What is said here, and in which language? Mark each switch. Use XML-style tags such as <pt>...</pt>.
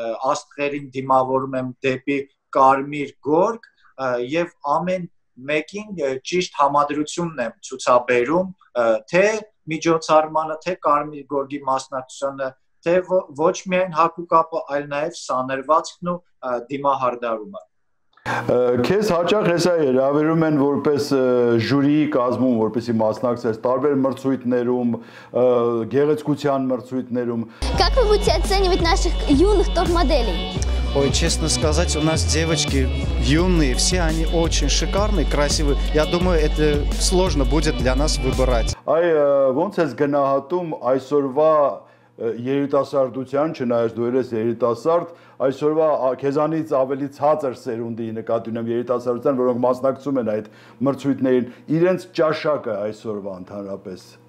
<hy>աստղերին դիմավորում եմ դեպի կարմիր գորգ, եւ ամեն մեկին ճիշտ համադրությունն եմ ցուցաբերում, թե միջոցառմանը, թե կարմիր գորգի մասնակցությունը, թե ոչ միայն հագուկապը, այլ նաև սանրվածքն ու դիմահարդարումը։ Քեզ հաճախ հեսա հրավիրում են որպես ժյուրիի կազմում, որպեսի մասնակցես տարբեր մրցույթներում, գեղեցկության մրցույթներում։</hy> <ru>Как вы будете оценивать наших юных топ-моделей? Ой, честно сказать, у нас девочки юные, все они очень шикарные, красивые. Я думаю, это сложно будет для нас выбирать.</ru> <hy>Ай, ո՞նց ես գնահատում այսօրվա երիտասարդության, չնայած դու ես երիտասարդ, այսօրվա քեզանից ավելի ցածր սերունդի նկատի ունեմ երիտասարդության, որոնք մասնակցում են այդ մրցույթներին, իրենց ճաշակը այսօրվա ընդհանրապես։</hy>